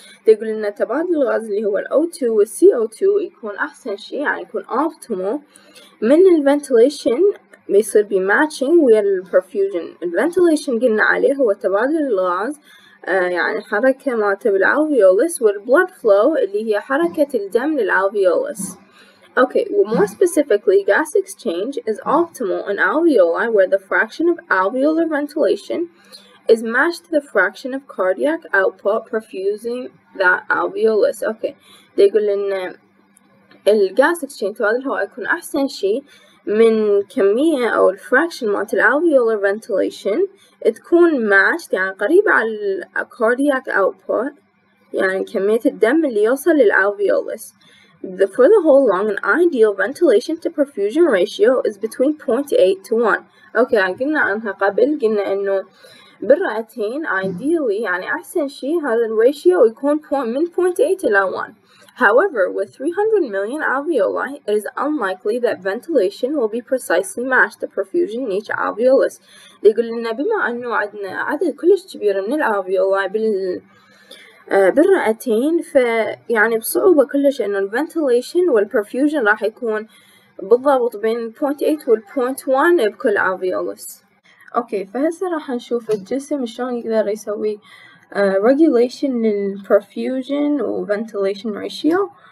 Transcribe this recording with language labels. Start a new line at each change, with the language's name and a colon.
English: They
Arabic: يقول إن تبادل الغاز اللي هو O2 والCO2 يكون أحسن شيء يعني يكون optimal من ال ventilation بيصير بي matching ويا ال perfusion. ال ventilation قلنا عليه هو تبادل الغاز يعني حركة مالت بالالفيولس وال blood flow اللي هي حركة الدم للالفيولس.
English: Okay, well, more specifically, gas exchange is optimal in alveoli where the fraction of alveolar ventilation is matched to the fraction of cardiac output perfusing that alveolus. Okay, they
Arabic: يقول إن الغاز exchange تبادل الهواء يكون أحسن شيء من كمية أو الفراكشن مالت الالفيولار ventilation تكون matched يعني قريبة على الكارديك output يعني كمية الدم اللي يوصل للالفيولس.
English: The, for the whole lung, an ideal ventilation to perfusion ratio is between 0.8 to 1. However, with 300 million alveoli, it is unlikely that ventilation will be precisely matched to perfusion in each alveolus. They
Arabic: يقول لنا بما أنه عندنا عدد كلش كبير من الالفيولاي بالرئتين فيعني بصعوبة كلش انه ال ventilation وال perfusion راح يكون بالضبط بين 0.8 وال 0.1 بكل alveolus. اوكي فهسه راح نشوف الجسم شلون يقدر يسوي regulation لل perfusion و ventilation ratio.